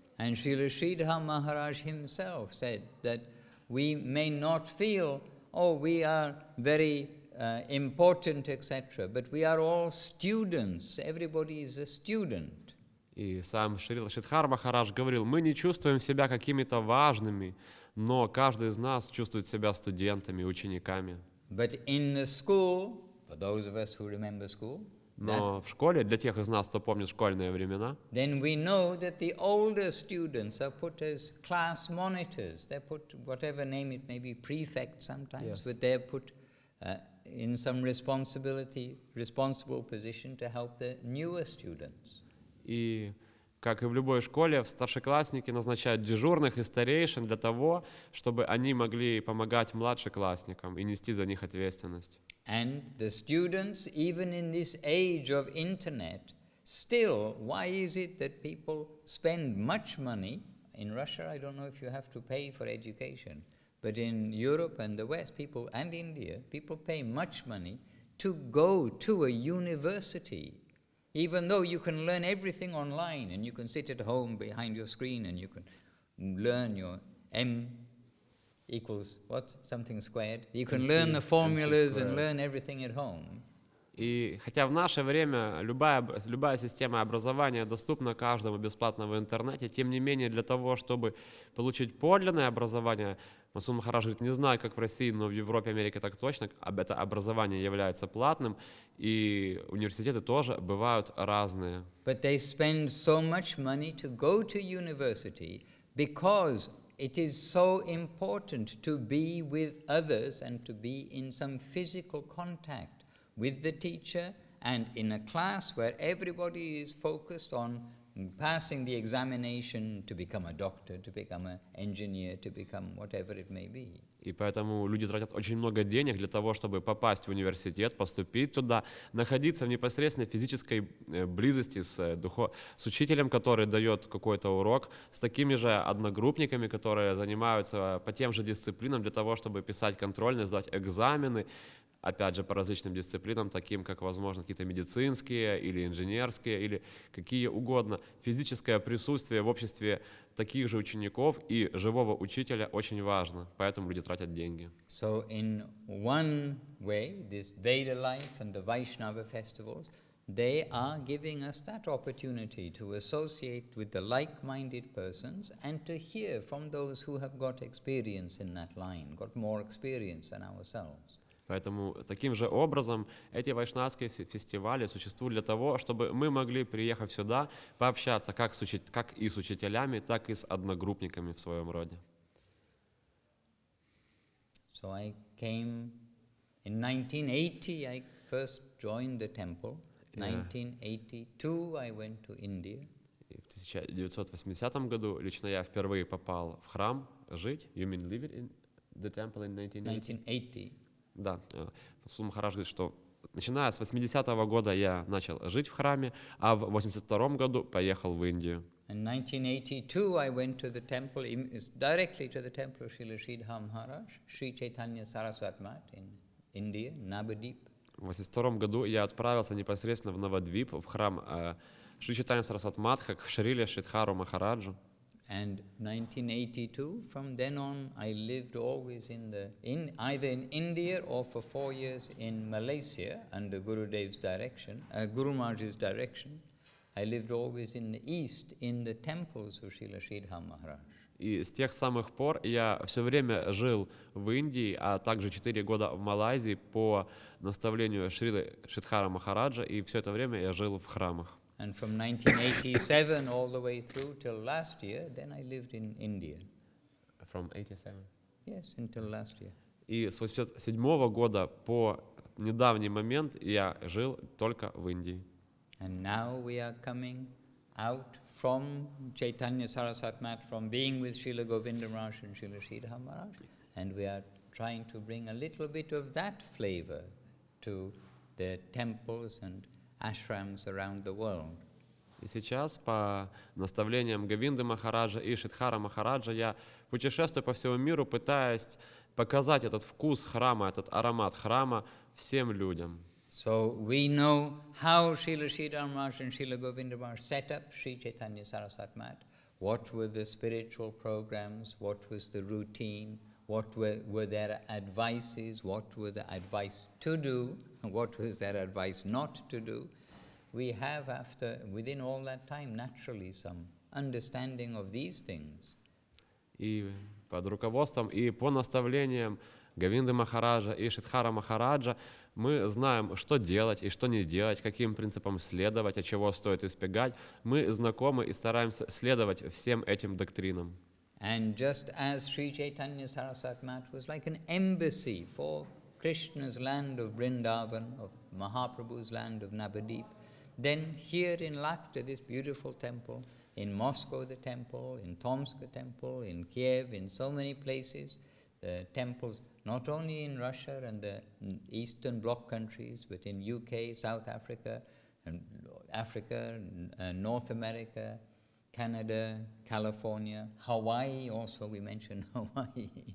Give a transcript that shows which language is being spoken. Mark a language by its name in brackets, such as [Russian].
[English] And Srila Sridhar Maharaj himself said that we may not feel, oh, we are very important, etc., but we are all students, everybody is a student. [Russian] И сам Шрила Шридхар Махарадж говорил, мы не чувствуем себя какими-то важными, но каждый из нас чувствует себя студентами, учениками. [English] But in the school, for those of us who remember school, [Russian] но [English] that, [Russian] в школе, для тех из нас, кто помнит школьные времена, [English] then we know that the older students are put as class monitors. They're put, whatever name it may be, prefects sometimes, yes. But they're put in some responsibility, responsible position to help the newer students. [Russian] И как и в любой школе, старшеклассники назначают дежурных и старейшин для того, чтобы они могли помогать младшеклассникам и нести за них ответственность. [English] And the students, even in this age of internet, still, why is it that people spend much money? In Russia, I don't know if you have to pay for education, but in Europe and the West, people, and India, people pay much money to go to a university, even though you can learn everything online and you can sit at home behind your screen and you can learn your M equals what? Something squared. You can learn the formulas and learn everything at home. [Russian] И хотя в наше время любая система образования доступна каждому бесплатно в интернете, тем не менее для того, чтобы получить подлинное образование, Масум Махарадж говорит, не знаю, как в России, но в Европе, Америке так точно, это образование является платным, и университеты тоже бывают разные. [English] But they spend so much money to go to university, because it is so important to be with others and to be in some physical contact with the teacher and in a class where everybody is focused on passing the examination to become a doctor, to become an engineer, to become whatever it may be. [Russian] И поэтому люди тратят очень много денег для того, чтобы попасть в университет, поступить туда, находиться в непосредственной физической близости с учителем, который дает какой-то урок, с такими же одногруппниками, которые занимаются по тем же дисциплинам для того, чтобы писать контрольные, сдать экзамены. Опять же, по различным дисциплинам, таким как, возможно, какие-то медицинские или инженерские, или какие угодно. Физическое присутствие в обществе таких же учеников и живого учителя очень важно. Поэтому люди тратят деньги. [English] So in one way, this Veda life and the Vaishnava festivals, they are giving us that opportunity to associate with the like-minded persons and to hear from those who have got experience in that line, got more experience than ourselves. [Russian] Поэтому таким же образом эти вайшнавские фестивали существуют для того, чтобы мы могли, приехав сюда, пообщаться как с учителями, так и с одногруппниками в своем роде. [English] So I came in 1980, I first joined the temple. 1982 I went to India. [Russian] И в 1980 году лично я впервые попал в храм жить. [English] You mean living in the temple in 1980? [Russian] Да. Суд Махарадж говорит, что начиная с 80-го года я начал жить в храме, а в 82-м году поехал в Индию. [English] In 1982 I went to the temple, directly to the temple of Srila Sridhara Maharaj, Sri Chaitanya Saraswat Math in India, Navadvip. [Russian] В 82-м году я отправился непосредственно в Навадвип, в храм Шри Чайтанья Сарасват Матха, к Шриле Шридхару Махараджу. [English] And 1982, from then on, I lived always either in India or for 4 years in Malaysia under Gurudev's direction, Guru Maharaj's direction. I lived always in the east, in the temples of Srila Sridhara Maharaj. [Russian] И с тех самых пор я все время жил в Индии, а также 4 года в Малайзии по наставлению Шрилы Шридхара Махараджа, и все это время я жил в храмах. [English] And from 1987 all the way through till last year, then I lived in India. From 87? Yes, until last year. [Russian] И с 87 года по недавний момент я жил только в Индии. [English] And now we are coming out from Chaitanya Sarasvat Math, from being with Srila Govinda Maharaj and Srila Sridhara Maharaj, and we are trying to bring a little bit of that flavor to the temples and ashrams around the world. [Russian] И сейчас по наставлениям Говинды Махараджа и Шридхара Махараджа я путешествую по всему миру, пытаясь показать этот вкус храма, этот аромат храма всем людям. [English] So we know how Srila Sridhara Maharaj and Srila Govinda Maharaj set up Sri Chaitanya Sarasvat Math. What were the spiritual programs? What was the routine? What were their advices? What were the advice to do? What was their advice not to do? We have, after within all that time, naturally some understanding of these things. [Russian] И под руководством и по наставлениям Говинды Махараджа и Шридхара Махараджа мы знаем, что делать и что не делать, каким принципам следовать, а чего стоит избегать. Мы знакомы и стараемся следовать всем этим доктринам. [English] And just as Sri Chaitanya Sarasvat Math was like an embassy for Krishna's land of Vrindavan, of Mahaprabhu's land of Navadvip, then here in Lakhta, this beautiful temple, in Moscow, the temple, in Tomsk, the temple, in Kiev, in so many places, the temples, not only in Russia and the Eastern Bloc countries, but in UK, South Africa, and Africa, and North America, Canada, California, Hawaii also, we mentioned Hawaii.